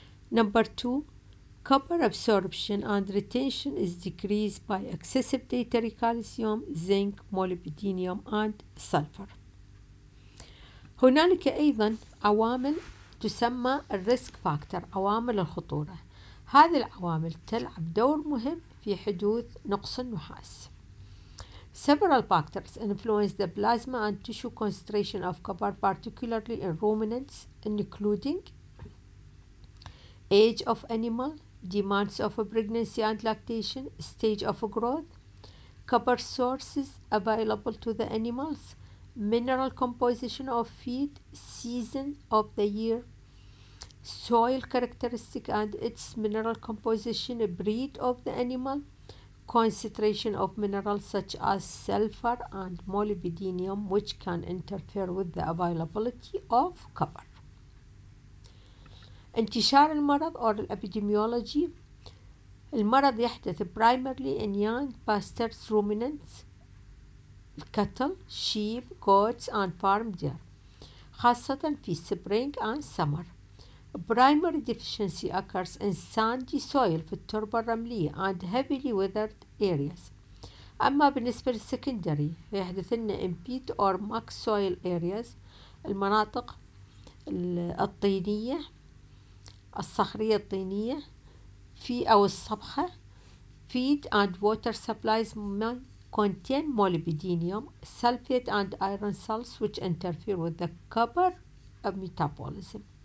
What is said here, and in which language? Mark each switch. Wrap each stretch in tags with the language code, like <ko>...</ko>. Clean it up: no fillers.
<en>Number two, copper absorption and retention is decreased by excessive dietary calcium, zinc, molybdenum and sulfur.</en> <ar>هنالك أيضا عوامل تسمى</ar> <en>risk factor،</en> <ar>عوامل الخطورة. هذه العوامل تلعب دور مهم في حدوث نقص النحاس.</ar> <en>Several factors influence the plasma and tissue concentration of copper, particularly in ruminants, including age of animal, demands of pregnancy and lactation, stage of growth, copper sources available to the animals, mineral composition of feed, season of the year, soil characteristic and its mineral composition, breed of the animal, concentration of minerals such as sulfur and molybdenum, which can interfere with the availability of copper.</en> <ar>انتشار المرض</ar> <en>or epidemiology.</en> <ar>المرض يحدث</ar> <en>primarily in young pastures ruminants, cattle, sheep, goats and farm deer,</en> <ar>خاصة في</ar> <en>spring and summer. Primary deficiency occurs in sandy soil</en> <ar>في التربة الرملية</ar> <en>and heavily weathered areas.</en> <ar>أما بالنسبة للسكندري يحدث لنا</ar> <en>in peat or muck soil areas،</en> <ar>المناطق الطينية الصخرية الطينية في أو الصبخة.</ar> <en>Feed and water supplies may contain molybdenum, sulfate and iron salts which interfere with the copper metabolism.</en>